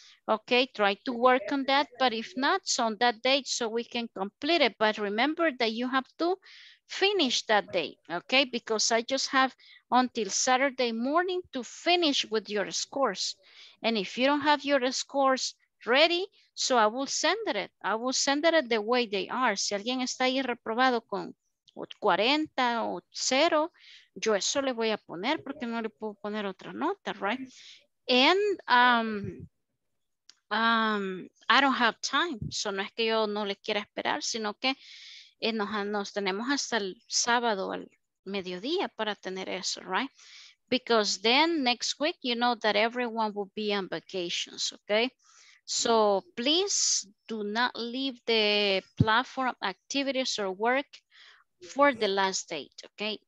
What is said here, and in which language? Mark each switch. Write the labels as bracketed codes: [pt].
[en] Okay, try to work on that. But if not, so on that date, so we can complete it. But remember that you have to finish that day. Okay, because I just have until Saturday morning to finish with your scores. And if you don't have your scores ready, so I will send it. I will send it the way they are. [es] Si alguien está ahí reprobado con 40 o 0, yo eso le voy a poner porque no le puedo poner otra nota, right? [en] And I don't have time. [es] So no es que yo no le quiera esperar, sino que nos tenemos hasta el sábado al mediodía para tener eso, right? [en] Because then next week, you know that everyone will be on vacations, okay? So please do not leave the platform activities or work for the last date, okay?